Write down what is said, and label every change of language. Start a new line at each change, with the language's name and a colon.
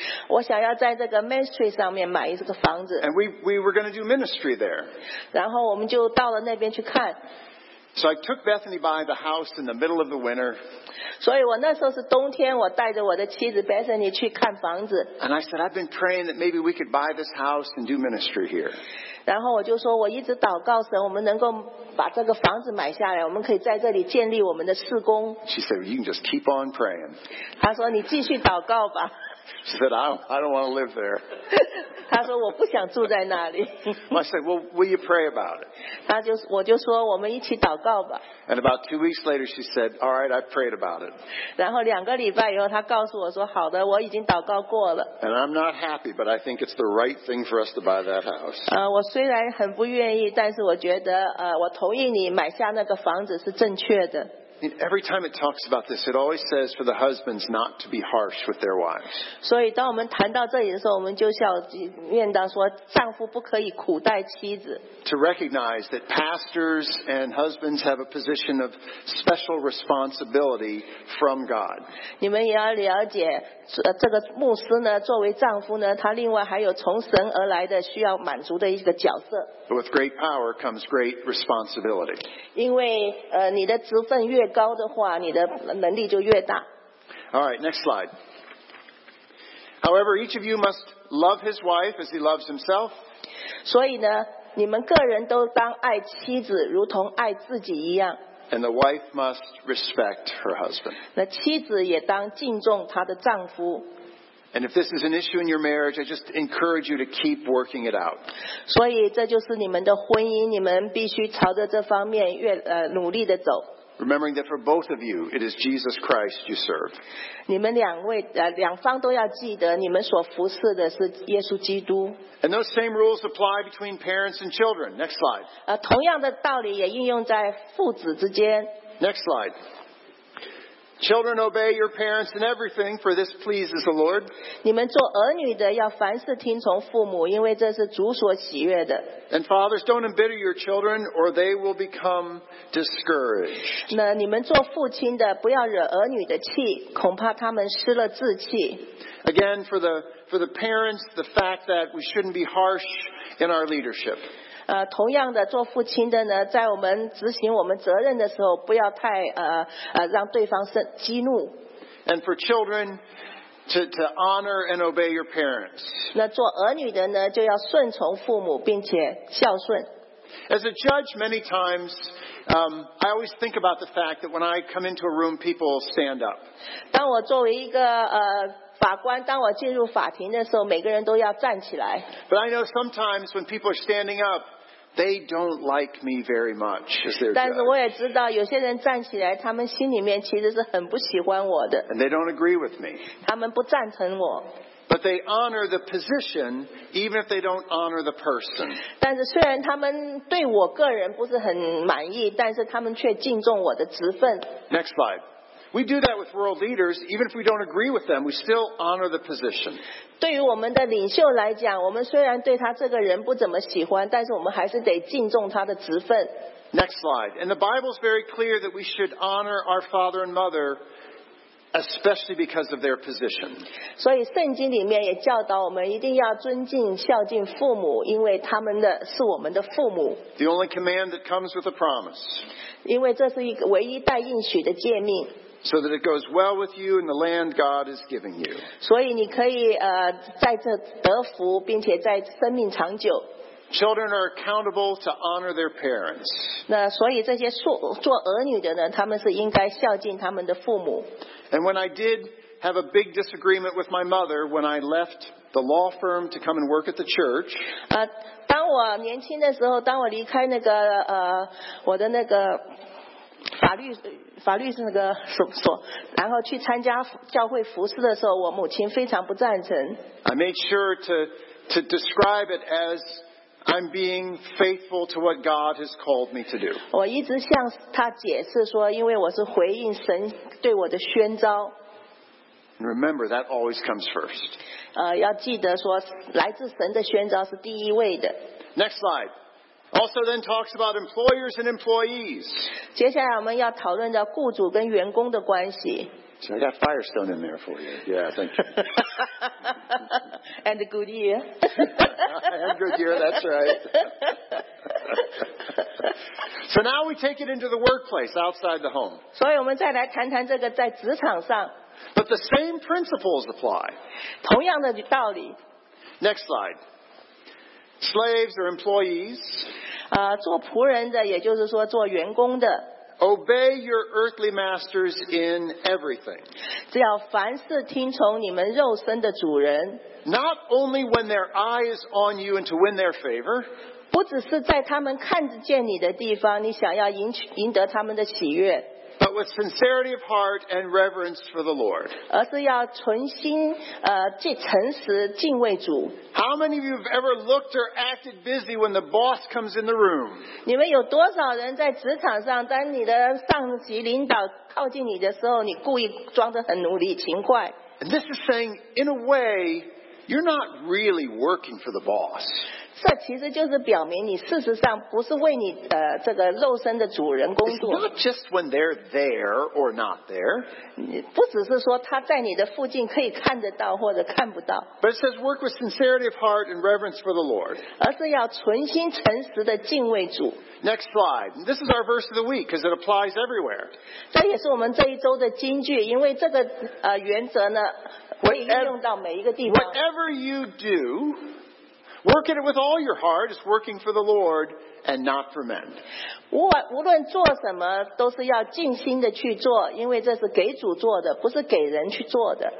Chinese: 我想要在这个 Main Street 上面买一个房子。
English: And we were going to do ministry there.
Chinese: 然后我们就到了那边去看。
English: So I took Bethany by the house in the middle of the winter.
Chinese: 所以我那时候是冬天，我带着我的妻子 Bethany 去看房子。
English: And I said, I've been praying that maybe we could buy this house and do ministry here.
Chinese: 然后我就说，我一直祷告神，我们能够把这个房子买下来，我们可以在这里建立我们的事工。
English: She said, you can just keep on praying.
Chinese: 她说，你继续祷告吧。
English: She said, I don't want to live there.
Chinese: 他说我不想住在那里。
English: I said, well, will you pray about it?
Chinese: 我就说我们一起祷告吧。
English: And about 2 weeks later, she said, all right, I prayed about it.
Chinese: 然后两个礼拜以后，他告诉我说，好的，我已经祷告过了。
English: And I'm not happy, but I think it's the right thing for us to buy that house.
Chinese: 我虽然很不愿意，但是我觉得我同意你买下那个房子是正确的。
English: Every time it talks about this, it always says for the husbands not to be harsh with their wives.
Chinese: 所以当我们谈到这里的时候，我们就要念到说，丈夫不可以苦待妻子。
English: To recognize that pastors and husbands have a position of special responsibility from God.
Chinese: 你们也要了解，这个牧师呢，作为丈夫呢，他另外还有从神而来的需要满足的一个角色。
English: But with great power comes great responsibility.
Chinese: 因为你的职分越高的话，你的能力就越大。
English: All right, next slide. However, each of you must love his wife as he loves himself.
Chinese: 所以呢，你们个人都当爱妻子，如同爱自己一样。
English: And the wife must respect her husband.
Chinese: 那妻子也当敬重她的丈夫。
English: And if this is an issue in your marriage, I just encourage you to keep working it out.
Chinese: 所以这就是你们的婚姻，你们必须朝着这方面越努力的走。
English: Remembering that for both of you, it is Jesus Christ you serve.
Chinese: 你们两位两方都要记得，你们所服侍的是耶稣基督。
English: And those same rules apply between parents and children. Next slide.
Chinese: 同样的道理也应用在父子之间。
English: Next slide. Children, obey your parents in everything, for this pleases the Lord.
Chinese: 你们做儿女的要凡事听从父母，因为这是主所喜悦的。
English: And fathers, don't embitter your children, or they will become discouraged.
Chinese: 那你们做父亲的不要惹儿女的气，恐怕他们失了志气。
English: Again, for the parents, the fact that we shouldn't be harsh in our leadership.
Chinese: 同样的，做父亲的呢，在我们执行我们责任的时候，不要太让对方生激怒。
English: And for children, to honor and obey your parents.
Chinese: 那做儿女的呢，就要顺从父母，并且孝顺。
English: As a judge, many times, I always think about the fact that when I come into a room, people stand up.
Chinese: 当我作为一个法官，当我进入法庭的时候，每个人都要站起来。
English: But I know sometimes when people are standing up, they don't like me very much.
Chinese: 但是我也知道，有些人站起来，他们心里面其实是很不喜欢我的。
English: And they don't agree with me.
Chinese: 他们不赞成我。
English: But they honor the position, even if they don't honor the person.
Chinese: 但是虽然他们对我个人不是很满意，但是他们却敬重我的职分。
English: Next slide. We do that with world leaders, even if we don't agree with them, we still honor the position.
Chinese: 对于我们的领袖来讲，我们虽然对他这个人不怎么喜欢，但是我们还是得敬重他的职分。
English: Next slide. And the Bible is very clear that we should honor our father and mother, especially because of their position.
Chinese: 所以圣经里面也教导我们一定要尊敬孝敬父母，因为他们的是我们的父母。
English: The only command that comes with a promise.
Chinese: 因为这是一个唯一带应许的诫命。
English: So that it goes well with you in the land God is giving you.
Chinese: 所以你可以在这得福，并且在生命长久。
English: Children are accountable to honor their parents.
Chinese: 那所以这些做儿女的呢，他们是应该孝敬他们的父母。
English: And when I did have a big disagreement with my mother when I left the law firm to come and work at the church.
Chinese: 当我年轻的时候，当我离开那个我的那个。法律是那个所，然后去参加教会服事的时候，我母亲非常不赞成。
English: I made sure to describe it as I'm being faithful to what God has called me to do.
Chinese: 我一直向他解释说，因为我是回应神对我的宣召。
English: And remember that always comes first.
Chinese: 要记得说，来自神的宣召是第一位的。
English: Next slide. Also then talks about employers and employees.
Chinese: 接下来我们要讨论到雇主跟员工的关系。
English: So I got Firestone in there for you. Yeah, thank you. And a good year. And good year, that's right. So now we take it into the workplace outside the home.
Chinese: 所以我们再来谈谈这个在职场上。
English: But the same principles apply.
Chinese: 同样的道理。
English: Next slide. Slaves or employees.
Chinese: 做仆人的，也就是说做员工的。
English: Obey your earthly masters in everything.
Chinese: 只要凡事听从你们肉身的主人。
English: Not only when their eye is on you and to win their favor.
Chinese: 不只是在他们看见你的地方，你想要赢得他们的喜悦。
English: But with sincerity of heart and reverence for the Lord.
Chinese: 而是要存心既诚实敬畏主。
English: How many of you have ever looked or acted busy when the boss comes in the room?
Chinese: 你们有多少人在职场上，当你的上级领导靠近你的时候，你故意装得很努力勤快？
English: And this is saying, in a way, you're not really working for the boss.
Chinese: 这其实就是表明你事实上不是为你这个肉身的主人工作。
English: It's not just when they're there or not there.
Chinese: 不只是说他在你的附近可以看得到或者看不到。
English: But it says work with sincerity of heart and reverence for the Lord.
Chinese: 而是要存心诚实的敬畏主。
English: Next slide. This is our verse of the week because it applies everywhere.
Chinese: 这也是我们这一周的金句，因为这个原则呢，可以应用到每一个地方。
English: Whatever you do. Work at it with all your heart. It's working for the Lord and not for men.
Chinese: 无论做什么都是要尽心的去做，因为这是给主做的，不是给人去做的。